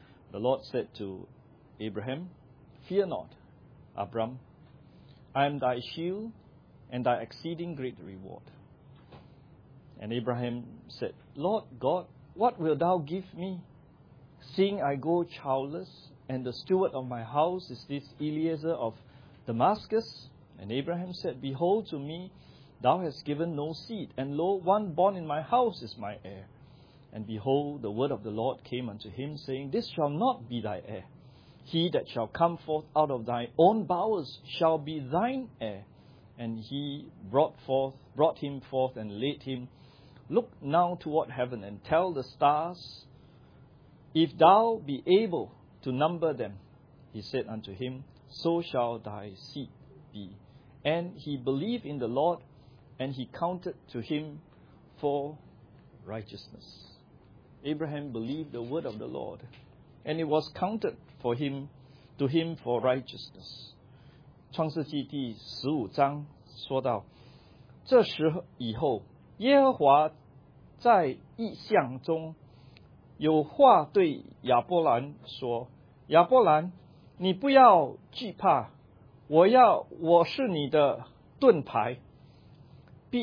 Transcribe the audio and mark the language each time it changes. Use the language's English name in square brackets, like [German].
[English] the Lord said to Abraham, "Fear not, Abram, I am thy shield and thy exceeding great reward." And Abraham said, "Lord God, what wilt thou give me, seeing I go childless, and the steward of my house is this Eliezer of Damascus?" And Abraham said, "Behold, to me thou hast given no seed, and lo, one born in my house is my heir." And behold, the word of the Lord came unto him, saying, "This shall not be thy heir. He that shall come forth out of thy own bowels shall be thine heir." And he brought him forth and laid him. "Look now toward heaven and tell the stars, if thou be able to number them." He said unto him, "So shall thy seed be." And he believed in the Lord, and he counted to him for righteousness. Abraham believed the word of the Lord, and it was counted for him, to him for righteousness. [Chinese] 创世纪第15章说到，这时以后，耶和华在异象中有话对亚伯兰说：“亚伯兰，你不要惧怕，我是你的盾牌。”